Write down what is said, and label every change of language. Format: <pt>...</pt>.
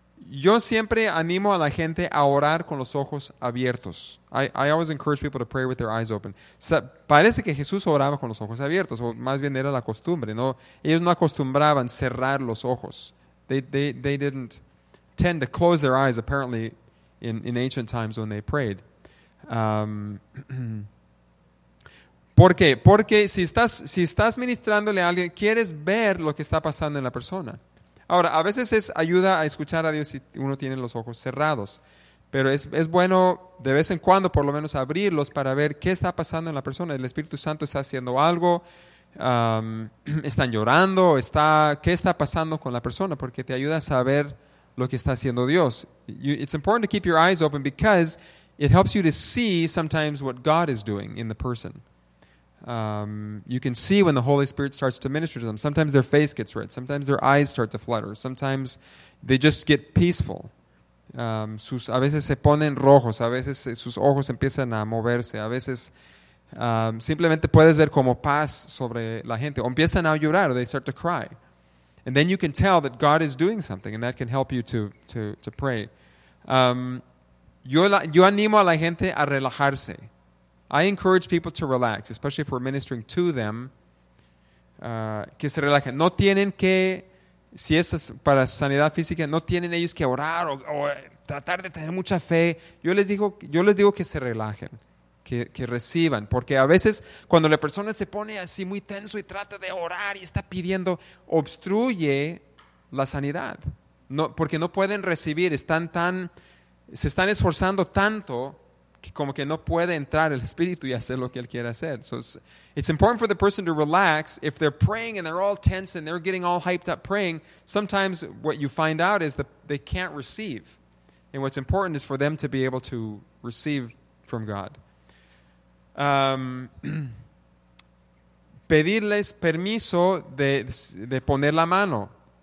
<es>Yo siempre animo a la gente a orar con los ojos abiertos.</es> <en>I always encourage people to pray with their eyes open.</en> <es>So, parece que Jesús oraba con los ojos abiertos, o más bien era la costumbre, ¿no? Ellos no acostumbraban cerrar los ojos.</es> <en>They didn't tend to close their eyes, apparently, in ancient times when they prayed.</en> <es>¿Por qué? Porque si estás ministrándole a alguien, quieres ver lo que está pasando en la persona. Ahora, a veces es ayuda a escuchar a Dios si uno tiene los ojos cerrados. Pero es bueno, de vez en cuando, por lo menos, abrirlos para ver qué está pasando en la persona. El Espíritu Santo está haciendo algo, están llorando, qué está pasando con la persona, porque te ayuda a saber lo que está haciendo Dios.</es> <en>It's important to keep your eyes open because it helps you to see sometimes what God is doing in the person. You can see when the Holy Spirit starts to minister to them. Sometimes their face gets red. Sometimes their eyes start to flutter. Sometimes they just get peaceful.</en> <es>A veces se ponen rojos. A veces sus ojos empiezan a moverse. A veces simplemente puedes ver como paz sobre la gente. O empiezan a llorar.</es> <en>Or they start to cry. And then you can tell that God is doing something, and that can help you to pray.</en> <es>Yo animo a la gente a relajarse.</es> <en>I encourage people to relax, especially if we're ministering to them,</en> <es>que se relajen. No tienen que, si es para sanidad física, no tienen ellos que orar o tratar de tener mucha fe. Yo les digo que se relajen, que reciban, porque a veces cuando la persona se pone así muy tenso y trata de orar y está pidiendo, obstruye la sanidad, no, porque no pueden recibir, se están esforzando tanto que como que no puede entrar el espíritu y hacer lo que él quiere hacer.</es> <en>So it's important for the person to relax. If they're praying and they're all tense and they're getting all hyped up praying, sometimes what you find out is that they can't receive. And what's important is for them to be able to receive from God.</en> <es>Pedirles permiso de poner la mano.</es>